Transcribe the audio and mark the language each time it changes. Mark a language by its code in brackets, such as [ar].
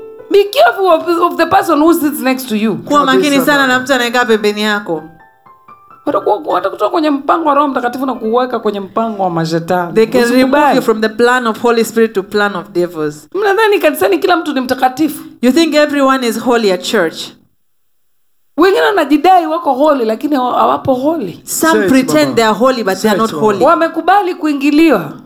[en] Be careful of the person who sits next to you. [sw] Kuwa makini sana na mtu anayekaa pembeni yako. Watakutoa kwenye mpango wa Roho Mtakatifu na kuweka kwenye mpango wa mashetani. [en] They can remove you from the plan of Holy Spirit to plan of devils. [sw] Mnadhani kanisani kila mtu ni mtakatifu? [en] You think everyone is holy at church? [sw] Wengine wanajidai wako holy lakini hawapo holy. [en] Some pretend they are holy but they are not holy. [sw] Wamekubali kuingiliwa.